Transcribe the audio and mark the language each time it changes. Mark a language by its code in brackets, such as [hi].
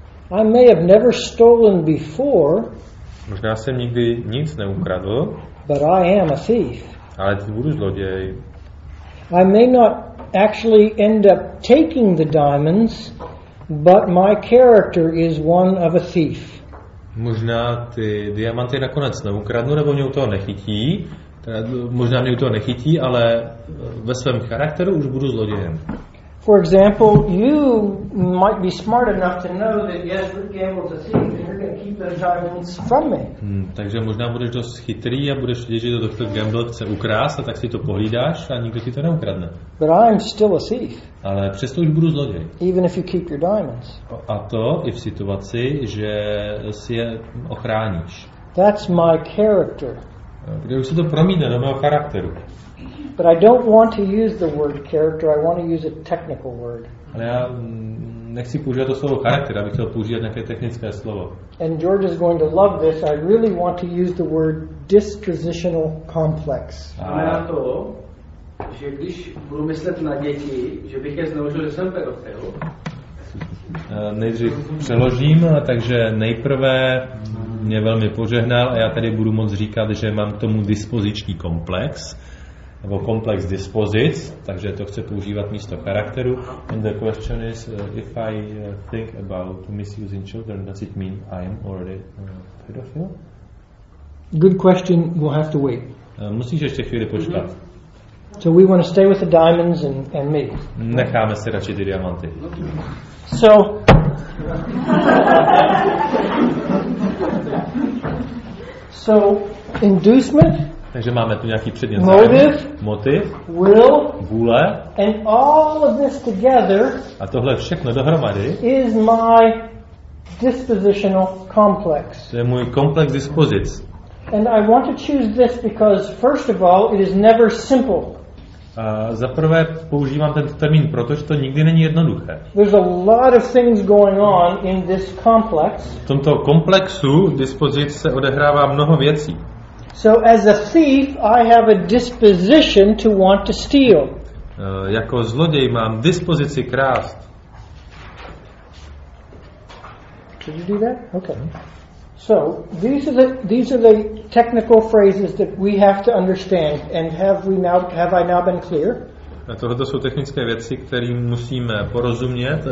[en] I may have never stolen before. [cs] Možná jsem nikdy nic neukradl. [en] But I am a thief. [cs] Ale teď budu zloděj. [en] I may not actually end up taking the diamonds, but my character is one of a thief. [cs] Možná ty diamanty nakonec neukradnu, nebo mě u toho nechytí. Možná mě u toho nechytí, ale ve svém charakteru už budu zlodějem. [en] For example, you might be smart enough to know that yes, Rick Gamble's a thief, and you're going to keep those diamonds from me. [cs] Takže možná budeš dost chytrý a budeš vědět, že to Dr. Gamble chce ukrást, a tak si to pohlídáš a nikdo ti to neukradne. [en] But I'm still a thief. [cs] Ale přesto už budu zloděj. [en] Even if you keep your diamonds. [cs] A to i v situaci, že si je ochráníš. [en] That's my character. [cs] Protože už se to promítne do mého charakteru. [en] But I don't want to use the word character, I want to use a technical word. [cs] Ale já nechci používat to slovo charakter, abych chtěl používat nějaké technické slovo. [en] And George is going to love this, I really want to use the word dispositional complex. [cs] Znamená to, že když budu myslet na děti, že bych je zneužil, že jsem pedofil. Nejdřív přeložím, takže nejprve mě velmi požehnal a já tady budu moc říkat, že mám k tomu dispoziční komplex. Nebo complex dispozic, takže to chce používat místo charakteru. [en] And the question is, if I think about misusing children, does it mean I am already a pedophile? Good question, we'll have to wait. [cs] Musíš ještě chvíli počkat. [en] So we want to stay with the diamonds and me. [cs] Necháme si radši ty diamanty. [en] So... so, inducement... [cs] Takže máme tu nějaký předmět [en] motiv, will, [cs] vůle, [en] and all of this together, [cs] a tohle všechno dohromady, [en] is my dispositional complex. [cs] To je můj komplex dispozic. [en] And I want to choose this because, first of all, it is never simple. [cs] A za prvé používám tento termín, protože to nikdy není jednoduché. [en] There's a lot of things going on in this complex. [cs] V tomto komplexu dispozic se odehrává mnoho věcí. [en] So as a thief, I have a disposition to want to steal. [cs] Jako zloděj mám dispozici krást. [en] Did you do that? Okay. So these are the technical phrases that we have to understand. And have I now been clear? [cs] Tohle jsou technické věci, které musíme porozumět.